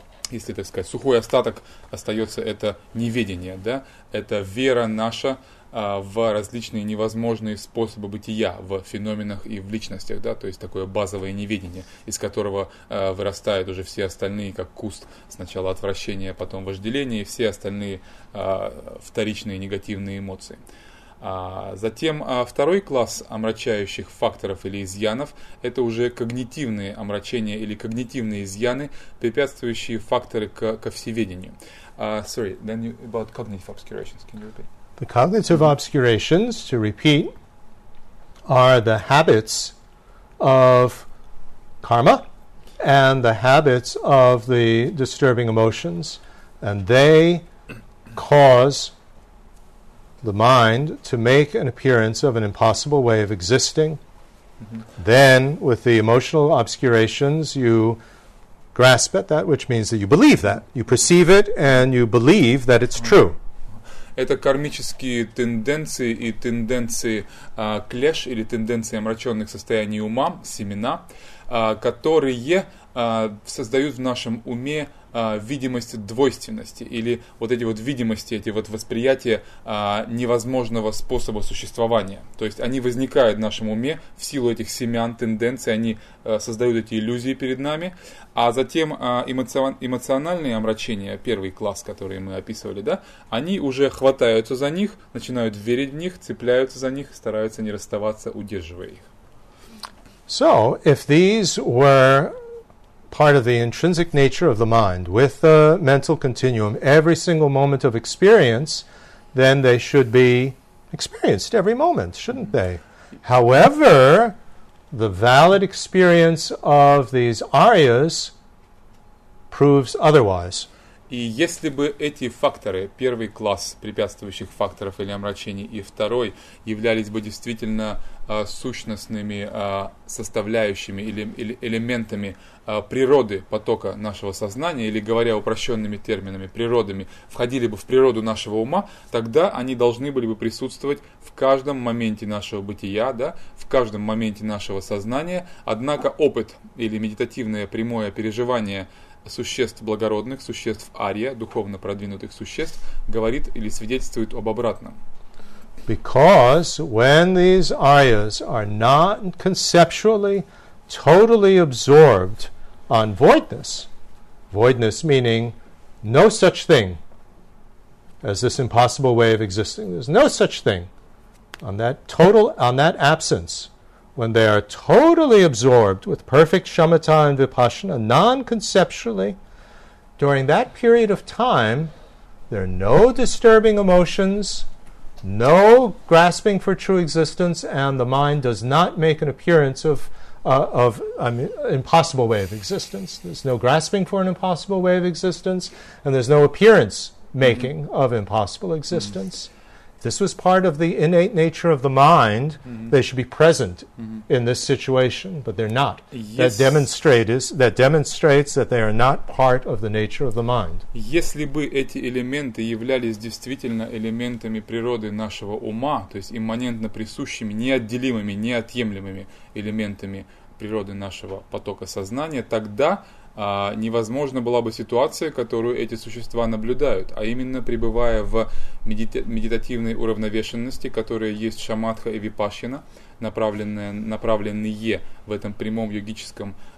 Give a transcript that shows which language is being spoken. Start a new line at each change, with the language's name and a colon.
Russian: Если, так сказать, сухой остаток остается, это неведение, да, это вера наша в различные невозможные способы бытия, в феноменах и в личностях, да, то есть такое базовое неведение, из которого вырастают уже все остальные, как куст сначала отвращения, потом вожделения и все остальные вторичные негативные эмоции. Затем второй класс омрачающих факторов или изъянов – это уже когнитивные омрачения или когнитивные изъяны, препятствующие факторы ко всеведению.
English: Sorry, then you, about cognitive obscurations, can you repeat? The cognitive obscurations, to repeat, are the habits of karma and the habits of the disturbing emotions, and they cause the mind to make an appearance of an impossible way of existing. Then, with the emotional obscurations, you grasp at that, which means that you believe that. You perceive it, and you believe that it's true.
Russian: Это кармические тенденции и тенденции клеш или тенденции омраченных состояний ума, семена, которые создают в нашем уме видимость двойственности или вот эти вот видимости, эти вот восприятия невозможного способа существования. То есть они возникают в нашем уме в силу этих семян, тенденций, они создают эти иллюзии перед нами. А затем эмоциональные омрачения, первый класс, который мы описывали, да, они уже хватаются за них, начинают верить в них, цепляются за них, стараются не расставаться, удерживая их.
English: So, if these were part of the intrinsic nature of the mind, with the mental continuum, every single moment of experience, then they should be experienced every moment, shouldn't they? However, the valid experience of these aryas proves otherwise.
Russian: И если бы эти факторы, первый класс препятствующих факторов или омрачений и второй, являлись бы действительно сущностными составляющими или элементами природы потока нашего сознания, или говоря упрощенными терминами, природами, входили бы в природу нашего ума, тогда они должны были бы присутствовать в каждом моменте нашего бытия, да, в каждом моменте нашего сознания. Однако опыт или медитативное прямое переживание существ благородных, существ ария, духовно продвинутых существ, говорит или свидетельствует об обратном.
English: Because when these ayas are not conceptually totally absorbed on voidness, voidness meaning no such thing as this impossible way of existing, there's no such thing on that absence, when they are totally absorbed with perfect shamatha and vipassana, non-conceptually, during that period of time, there are no disturbing emotions, no grasping for true existence, and the mind does not make an appearance impossible way of existence. There's no grasping for an impossible way of existence, and there's no appearance making of impossible existence. This was part of the innate nature of the mind. Mm-hmm. They should be present in this situation, but they're not. Yes. That demonstrates that they are not part of the nature of the mind.
Russian: Если бы эти элементы являлись действительно элементами природы нашего ума, то есть имманентно присущими, неотделимыми, неотъемлемыми элементами природы нашего потока сознания, тогда невозможна была бы ситуация, которую эти существа наблюдают, а именно пребывая в медитативной уравновешенности, которая есть шамадха и випассана, направленные в этом прямом йогическом